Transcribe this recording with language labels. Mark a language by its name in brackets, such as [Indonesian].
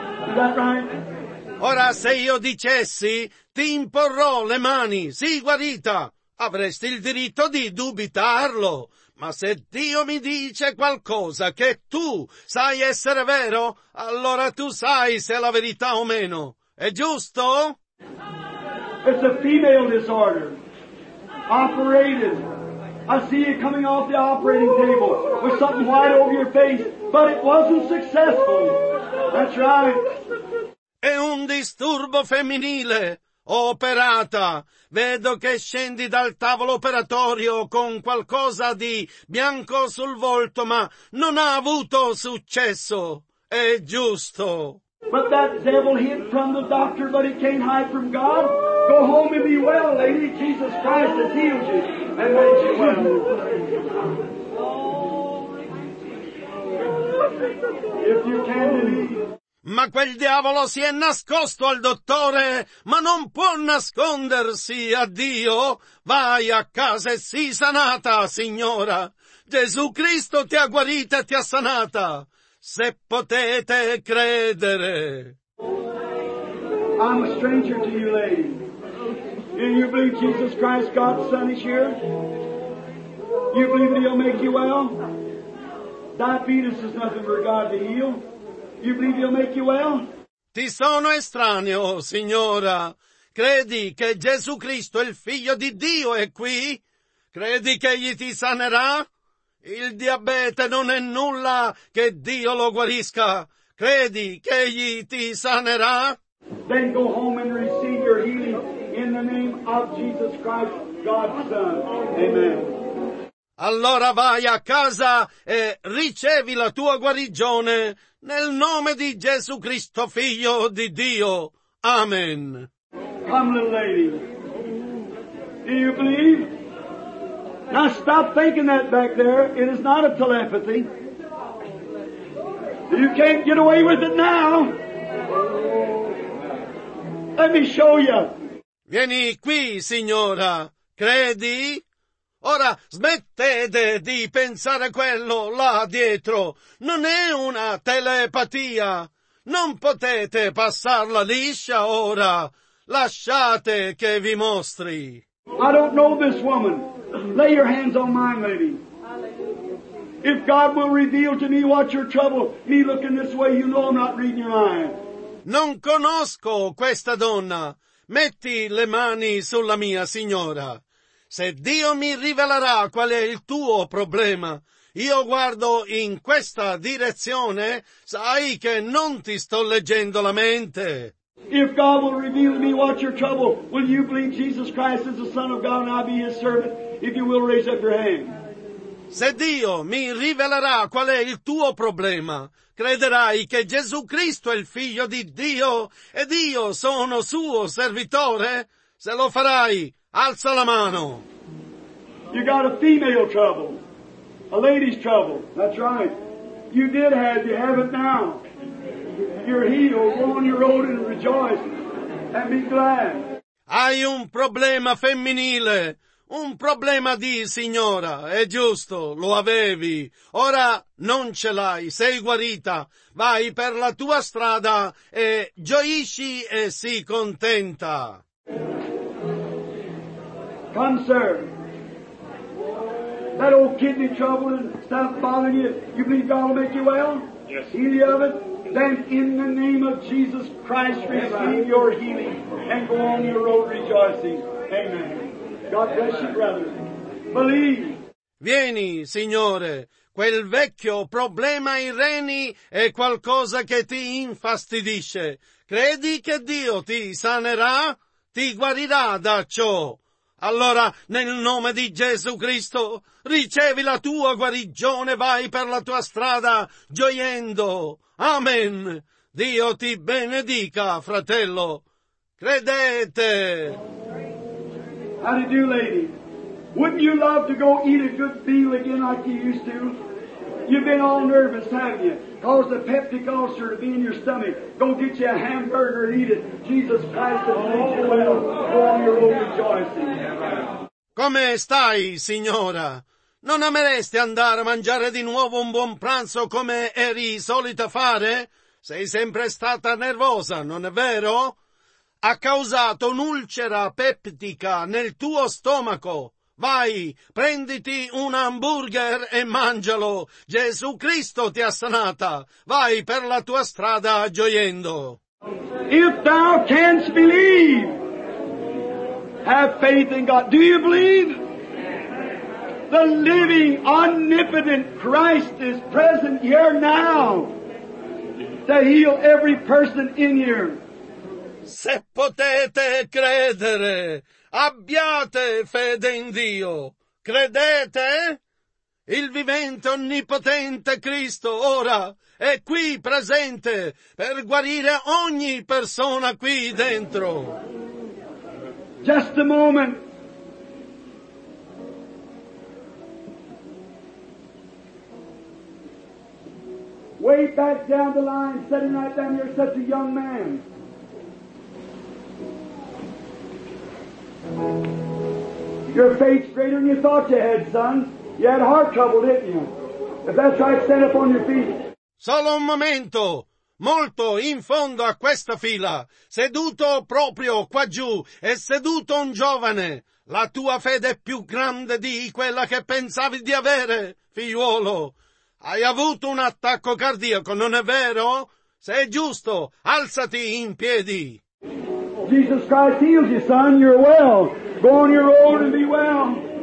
[English] Is that right? [Italian] Ora se io dicessi, ti imporrò le mani, sii guarita, avresti il diritto di dubitarlo. Ma se Dio mi dice qualcosa che tu sai essere vero, allora tu sai se è la verità o meno. È giusto? [English] It's a female disorder. Operated. I see you coming off the operating table with something white over your face, but it wasn't successful. That's right. [Italian] È un disturbo femminile. Operata. Vedo che scendi dal tavolo operatorio con qualcosa di bianco sul volto, ma non ha avuto successo. È giusto. [English] But that devil hid from the doctor, but he can't hide from God. Go home and be well, lady. Jesus Christ has healed you and made you well. If you can believe. [Italian] Ma quel diavolo si è nascosto al dottore, ma non può nascondersi a Dio. Vai a casa e sii sanata, signora. Gesù Cristo ti ha guarita e ti ha sanata. Se potete credere. [English] I'm a stranger to you, lady. And you believe Jesus Christ, God's Son, is here? You believe that he'll make you well? Diabetes is nothing for God to heal. You believe he'll make you well? [Italian] Ti sono estraneo, signora. Credi che Gesù Cristo, il figlio di Dio, è qui? Credi che egli ti sanerà? Il diabete non è nulla che Dio lo guarisca. Credi che egli ti sanerà? [English] Then go home and receive your healing in the name of Jesus Christ, God's Son. Amen. [Italian] Allora vai a casa e ricevi la tua guarigione nel nome di Gesù Cristo, figlio di Dio. Amen. [English] Come, little lady. Do you believe? Now stop thinking that back there. It is not a telepathy. You can't get away with it now. Let me show you. [Italian] Vieni qui, signora. Credi? Ora smettete di pensare quello là dietro. Non è una telepatia. Non potete passarla liscia ora. Lasciate che vi mostri. [English] I don't know this woman. Lay your hands on mine, lady. If God will reveal to me what your trouble, me looking this way, you know I'm not reading your mind. [Italian] Non conosco questa donna. Metti le mani sulla mia, signora. Se Dio mi rivelerà qual è il tuo problema, io guardo in questa direzione, sai che non ti sto leggendo la mente. [English] If God will reveal to me what your trouble, will you believe Jesus Christ is the Son of God and I be his servant? If you will raise up your hand. [Italian] Se Dio mi rivelerà qual è il tuo problema, crederai che Gesù Cristo è il figlio di Dio ed io sono suo servitore? Se lo farai, alza la mano. [English] You got a female trouble. A lady's trouble. That's right. You did have, you have it now. you're healed. Go on your road and rejoice and be glad. [Italian] Hai un problema femminile. Un problema di signora, è giusto, lo avevi. Ora non ce l'hai, sei guarita. Vai per la tua strada e gioisci e sii contenta. [English] Come, sir. That old kidney trouble and stuff bothering you, you believe God will make you well? Yes. Heal you of it? Then in the name of Jesus Christ, receive your healing and go on your road rejoicing. Amen. God bless you, brother. Believe. [Italian] Vieni, Signore, quel vecchio problema ai reni è qualcosa che ti infastidisce. Credi che Dio ti sanerà? Ti guarirà da ciò. Allora, nel nome di Gesù Cristo, ricevi la tua guarigione, vai per la tua strada, gioiendo. Amen. Dio ti benedica, fratello. Credete. [English] How do you do, lady? Wouldn't you love to go eat a good meal again like you used to? You've been all nervous, haven't you? Cause the peptic ulcer to be in your stomach. Go get you a hamburger and eat it. Jesus Christ has made you well. Go on your own rejoicing. [Italian] Come stai, signora? Non ameresti andare a mangiare di nuovo un buon pranzo come eri solita fare? Sei sempre stata nervosa, non è vero? Ha causato un'ulcera peptica nel tuo stomaco. Vai, prenditi un hamburger e mangialo. Gesù Cristo ti ha sanata. Vai per la tua strada gioiendo. [English] If thou canst believe, have faith in God. Do you believe? The living, omnipotent Christ is present here now to heal every person in here. [Italian] Se potete credere, abbiate fede in Dio. Credete? Il vivente onnipotente Cristo ora è qui presente per guarire ogni persona qui dentro. [English] Just a moment. Way back down the line, sitting right down here, such a young man. Your faith's greater than you thought you had, son. You had heart trouble, didn't you? If that's right, stand up on your feet. [Italian] Solo un momento. Molto in fondo a questa fila, seduto proprio qua giù, è seduto un giovane. La tua fede è più grande di quella che pensavi di avere, figliuolo. Hai avuto un attacco cardiaco, non è vero? Se è giusto, alzati in piedi. [English] Jesus Christ heals you, son. You're well. Go on your own and be well.